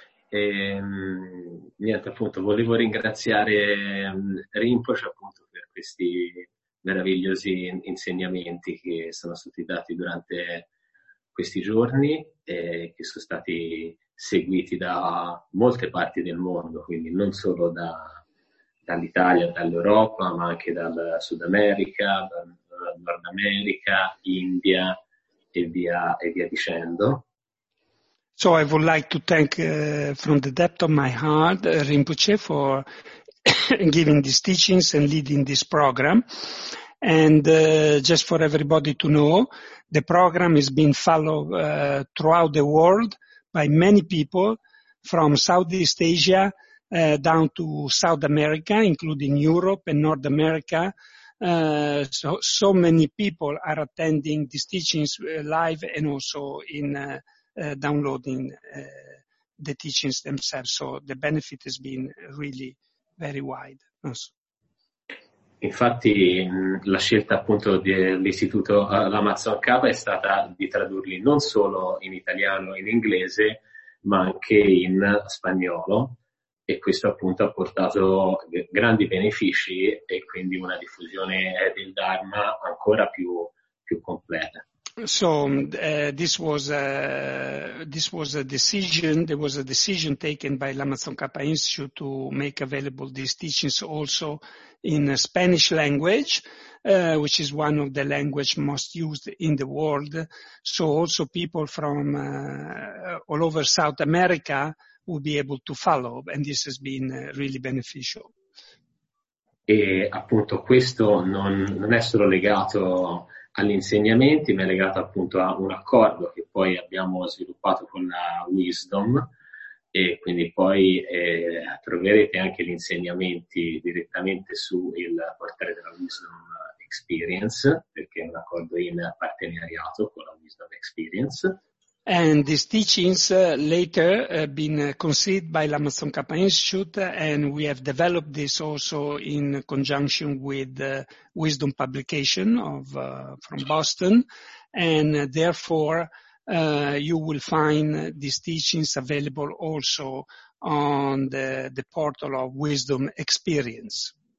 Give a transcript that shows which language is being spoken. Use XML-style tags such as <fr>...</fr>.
<it>E, niente, appunto, volevo ringraziare Rinpoche appunto per questi meravigliosi insegnamenti che sono stati dati durante questi giorni e che sono stati seguiti da molte parti del mondo, quindi non solo dall'Italia, dall'Europa, ma anche dal Sud America, dal Nord America, India e via dicendo.</it> <en>So I would like to thank from the depth of my heart Rinpoche for giving these teachings and leading this program. And just for everybody to know, the program is being followed throughout the world by many people from Southeast Asia down to South America, including Europe and North America. So many people are attending these teachings live and also in downloading the teachings themselves, so the benefit has been really very wide. Also.</en> <it>Infatti la scelta appunto dell'istituto l'Amazon Cava è stata di tradurli non solo in italiano e in inglese, ma anche in spagnolo, e questo appunto ha portato grandi benefici e quindi una diffusione del Dharma ancora più completa.</it> <en>So this was a decision. There was a decision taken by Lama Tsongkhapa Institute to make available these teachings also in Spanish language, which is one of the languages most used in the world. So also people from all over South America will be able to follow, and this has been really beneficial.</en> <it>E appunto questo non è solo legato agli insegnamenti, mi è legato appunto a un accordo che poi abbiamo sviluppato con la Wisdom, e quindi poi troverete anche gli insegnamenti direttamente su il portale della Wisdom Experience, perché è un accordo in partenariato con la Wisdom Experience.</it> <en>And these teachings later have been conceived by Lama Tsongkhapa Institute, and we have developed this also in conjunction with Wisdom Publication of from Boston. And therefore, you will find these teachings available also on the portal of Wisdom Experience.</en>